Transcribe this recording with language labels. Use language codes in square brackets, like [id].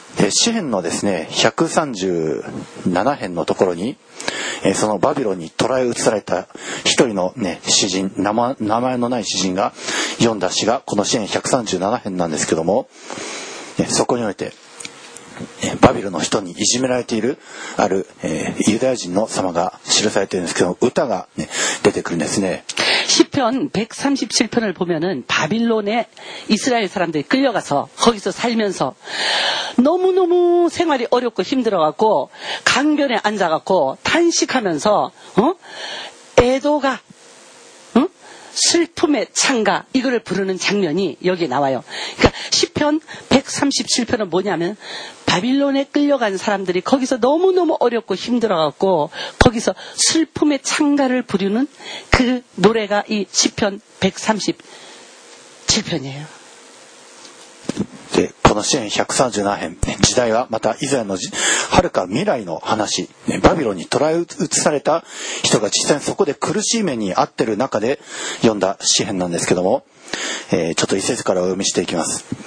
[ja] 詩編のですね137編のところに、そのバビロンに捕らえ移された一人の詩人、名前のない詩人が 読んだ詩がこの詩編137編なんですけども、そこにおいてバビロンの人にいじめられているあるユダヤ人の様が記されているんですけど、歌が出てくるんですね。 [ko] 시편 137편을 보면은 바빌론에 이스라엘 사람들이 끌려가서 거기서 살면서 너무너무 생활이 어렵고 힘들어갖고 강변에 앉아갖고 탄식하면서 애도가 슬픔의 찬가 이거를 부르는 장면이 여기 나와요. 그러니까 시편 137편은 뭐냐면 바빌론에 끌려간 사람들이 거기서 너무너무 어렵고 힘들어갖고 거기서 슬픔의 찬가를 부르는 그 노래가 이 시편 137편이에요. [ja] この詩篇137編、時代はまたイザヤの遥か未来の話、バビロンに捕らえ移された人が実際にそこで苦しい目に遭ってる中で読んだ詩篇なんですけども、ちょっと一節からお読みしていきます。